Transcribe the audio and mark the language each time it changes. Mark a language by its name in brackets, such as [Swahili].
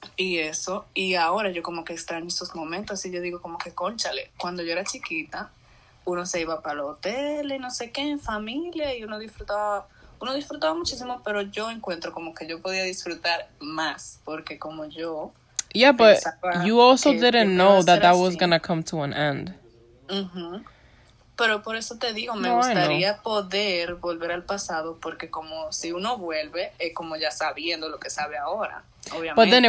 [Spanish] Y eso, y ahora yo como que extraño esos momentos y yo digo como que cónchale, cuando yo era chiquita uno se iba para el hotel y no sé qué en familia y uno disfrutaba muchísimo, pero yo encuentro como que yo podía disfrutar más porque como yo [English] but you also didn't know that was gonna come to an end. [Spanish] Pero por eso te digo, me gustaría poder volver al pasado, porque como si uno vuelve es como ya sabiendo lo que sabe ahora, obviamente.